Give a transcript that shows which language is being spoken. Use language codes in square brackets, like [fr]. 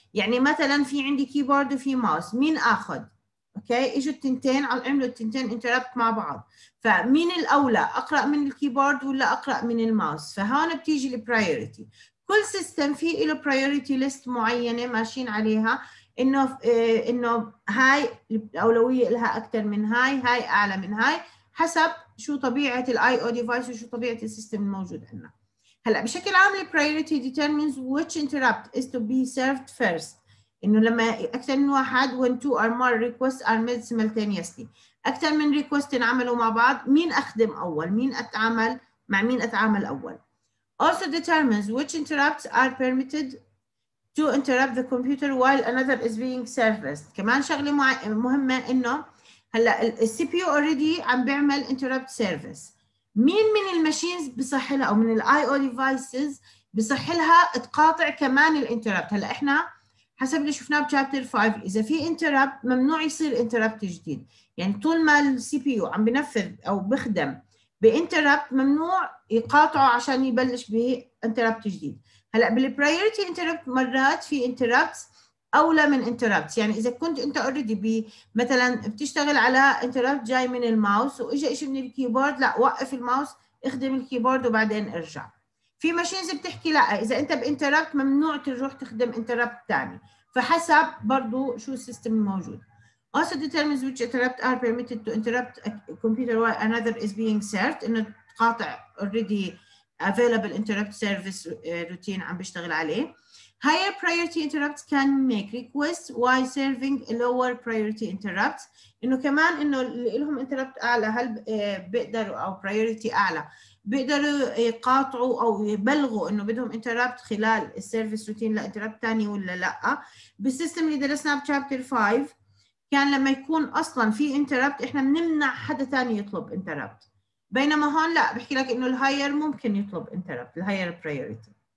[ar] يعني مثلا في عندي كيبورد وفي ماوس، مين اخذ؟ اوكي، اجوا التنتين على عملوا التنتين انتربت مع بعض، فمين الاولى، اقرا من الكيبورد ولا اقرا من الماوس؟ فهون بتيجي البرايورتي. كل سيستم في له برايورتي ليست معينه ماشيين عليها، انه هاي الاولويه لها اكثر من هاي، هاي اعلى من هاي، حسب شو طبيعه الاي او ديفايس وشو طبيعه السيستم الموجود عندنا. هلا بشكل عام البرايورتي [en] determines which interrupt is to be served first. [ar] انه لما اكثر من واحد، [en] when two or more requests are made simultaneously، [ar] اكثر من ريكوست انعملوا مع بعض، مين اخدم اول، مين اتعامل مع مين اتعامل اول. [en] Also determines which interrupts are permitted to interrupt the computer while another is being serviced. [ar] كمان شغله مهمه انه هلا السي بي يو اوريدي عم بيعمل interrupt service، مين من الماشينز بصح لها او من الاي او ديفايسز بصح لها تقاطع كمان الانتربت. هلا احنا حسب اللي شفناه بشابتر 5، اذا في انتربت ممنوع يصير انتربت جديد. يعني طول ما السي بي يو عم بنفذ او بخدم بانتربت، ممنوع يقاطعه عشان يبلش بانتربت جديد. هلا بالبرايورتي انتربت مرات في انتربت اولى من انتربت. يعني اذا كنت انت اوريدي مثلا بتشتغل على انتربت جاي من الماوس واجا شيء من الكيبورد، لا وقف الماوس، اخدم الكيبورد وبعدين ارجع. في ماشينز بتحكي لا، اذا انت بانتربت ممنوع تروح تخدم انتربت ثاني، فحسب برضه شو السيستم الموجود. [en] Also determines which interrupt are permitted to interrupt a computer while another is being served. [ar] انه تقاطع already available interrupt service routine عم بيشتغل عليه. [en] Higher priority interrupts can make requests while serving a lower priority interrupt. [ar] انه كمان انه اللي لهم interrupt اعلى، هل بيقدروا او priority اعلى بيقدروا يقاطعوا او يبلغوا انه بدهم interrupt خلال السيرفيس روتين لانتربت ثاني ولا لا؟ بالسيستم اللي درسناه بشابتر 5 كان لما يكون اصلا في انتربت احنا بنمنع حدا ثاني يطلب انتربت، بينما هون لا، بحكي لك انه الهاير ممكن يطلب انتربت، الهاير برايورتي.